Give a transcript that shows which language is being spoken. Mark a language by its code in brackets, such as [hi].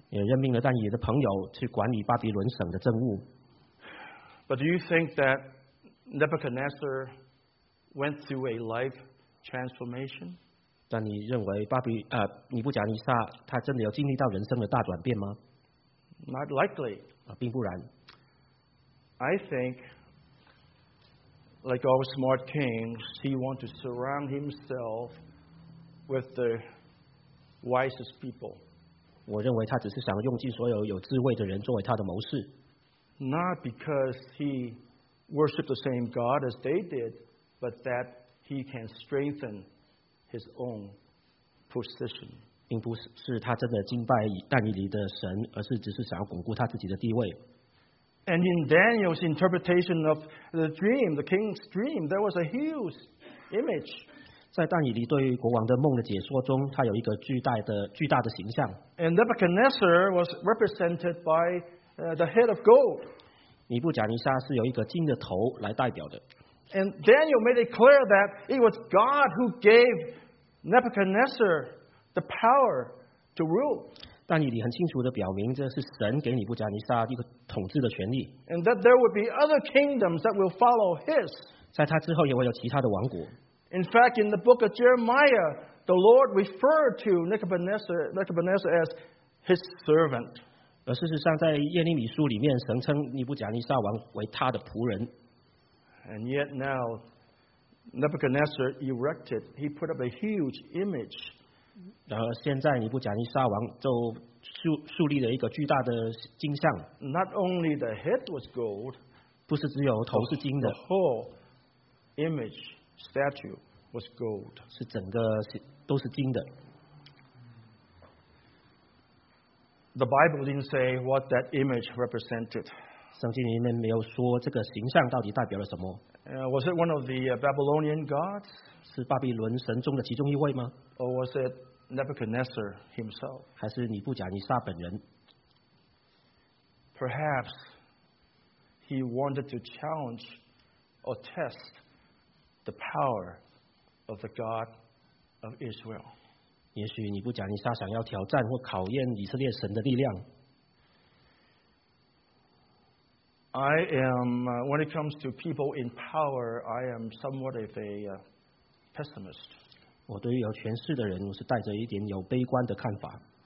[zh] 也任命了但以的朋友去管理巴比伦省的政务。 [en] But do you think that Nebuchadnezzar went through a life transformation? [zh] 但你认为巴比尼布甲尼撒他真的有经历到人生的大转变吗？ [en] Not likely. [zh] 并不然。 [en] I think, like all smart kings, he wanted to surround himself with the wisest people. [zh] 我认为他只是想用尽所有有智慧的人作为他的谋士。 [en] Not because he worshipped the same God as they did, but that he can strengthen his own position. [zh] 并不是他真的敬拜但以理的神，而是只是想要巩固他自己的地位。 [en] And in Daniel's interpretation of the dream, the king's dream, there was a huge image. [zh] 在但以理对于国王的梦的解说中，他有一个巨大的形象。 [en] And Nebuchadnezzar was represented by the head of gold. [zh] 尼布甲尼撒是由一个金的头来代表的。 [en] And Daniel made it clear that it was God who gave Nebuchadnezzar the power to rule. [zh] 但以理很清楚地表明，这是神给尼布甲尼撒一个统治的权利。 [en] And that there would be other kingdoms that will follow his. [zh] 在他之后也会有其他的王国。 [en] In fact, in the book of Jeremiah, the Lord referred to Nebuchadnezzar as his servant. [zh] 而事实上，在耶利米书里面，神称尼布甲尼撒王为他的仆人。 [en] And yet now, Nebuchadnezzar erected, he put up a huge image. [zh] 然而现在尼布甲尼撒王就树立了一个巨大的金像。 [en] Not only the head was gold, [zh] 不是只有头是金的。 [en] The whole image statue was gold. [zh] 是整个都是金的。 [en] The Bible didn't say what that image represented. [zh] 圣经里面没有说这个形象到底代表了什么。 [en] Was it one of the Babylonian gods? [zh] 是巴比伦神中的其中一位吗？ [en] Or was itNebuchadnezzar himself. [zh] 还是尼布甲尼撒本人。 [en] Perhaps he wanted to challenge or test the power of the God of Israel. [zh] 也许尼布甲尼撒想要挑战或考验以色列神的力量。 [en] I am, when it comes to people in power, I am somewhat of a pessimist. [zh] 我对于有权势的人，我是带着一点有悲观的看法。